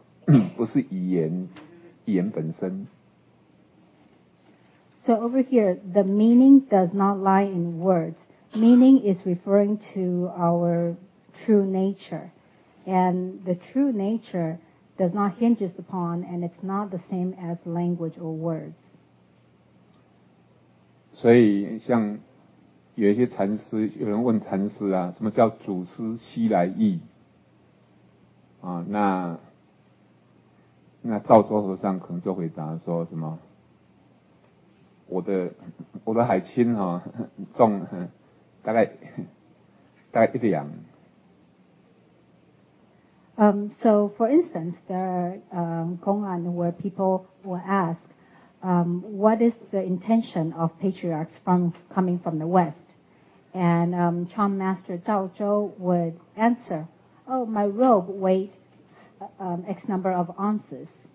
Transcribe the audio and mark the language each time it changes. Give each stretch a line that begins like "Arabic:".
Chinese: 那这边的意不在言，就是说意就等于是，就是我们那个自信本身，它是什么？不是语言本身。
English: So over here, the meaning does not lie in words. Meaning is referring to our true nature, and the true nature does not hinge upon, and it's not the same as language or words.
Chinese: 所以像有一些禅师，有人问禅师啊，什么叫祖师西来意？啊，那赵州和尚可能就回答说什么，我的海青哈，重大概一两。
English: So for instance, there are koan where people will ask, what is the intention of patriarchs from coming from the West? And Chan Master Zhao Zhou would answer, oh, my robe weighed X number of ounces.